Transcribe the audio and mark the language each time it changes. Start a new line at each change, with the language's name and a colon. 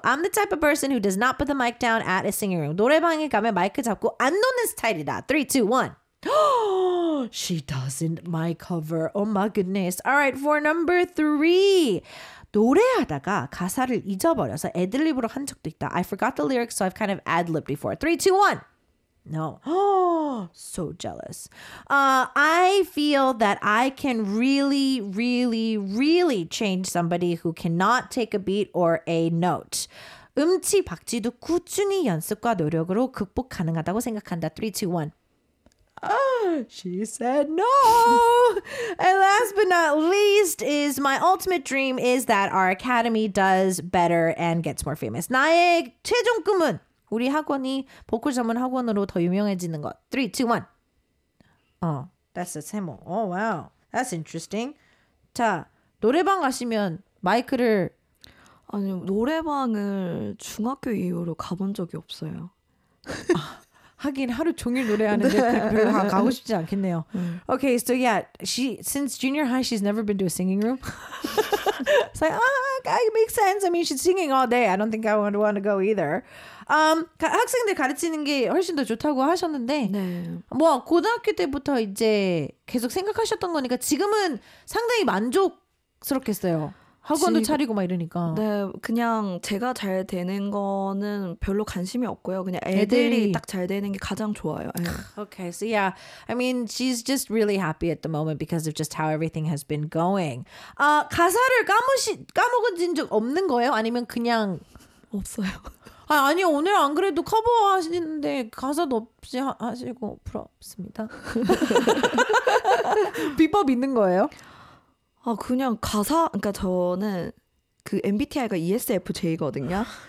English: I'm the type of person who does not put the mic down at a singing room.
Korean: 노래방에 가면 마이크 잡고 안 놓는 스타일이다.
English: 3, 2, 1. She doesn't my cover. Oh my goodness. All right, for number 3.
Korean: 노래하다가 가사를 잊어버려서 애드립으로 한 적도 있다.
English: I forgot the lyrics, so I've kind of ad-libbed before. 3, 2, 1. No. So jealous. I feel that I can really, really, really change somebody who cannot take a beat or a note.
Korean: 음치 박지도 꾸준히 연습과 노력으로 극복 가능하다고 생각한다.
English: 3, 2, 1. She said no. And last but not least is my ultimate dream is that our academy does better and gets more famous.
Korean: 나의 최종 꿈은 우리 학원이 보컬 전문 학원으로 더 유명해지는 것.
English: 3, 2, 1. Oh, that's the same. Oh, wow. That's interesting.
Korean: 자, 노래방 가시면 마이크를. 아니, 노래방을 중학교 이후로 가본 적이 없어요. 하긴 하루 종일 노래하는데 별로 가고 싶지 않겠네요.
English: Okay, so yeah, she since junior high, she's never been to a singing room. It's like, it makes sense. I mean, she's singing all day. I don't think I would want to go either.
Korean: 학생들 가르치는 게 훨씬 더 좋다고 하셨는데, 네. 뭐 고등학교 때부터 이제 계속 생각하셨던 거니까 지금은 상당히 만족스럽겠어요. 학원도 지금, 차리고 막 이러니까. 네, 그냥 제가 잘 되는 거는 별로 관심이 없고요. 그냥 애들이 딱 잘 되는 게 가장 좋아요.
English: Okay, so yeah. I mean, she's just really happy at the moment because of just how everything has been going.
Korean: 가사를 까먹은 적 없는 거예요? 아니면 그냥 없어요. 아니 오늘 안 그래도 커버 하시는데 가사도 없이 하시고 부럽습니다. 비법 있는 거예요? 아 그냥 가사 그러니까 저는 그 MBTI가 ESFJ거든요.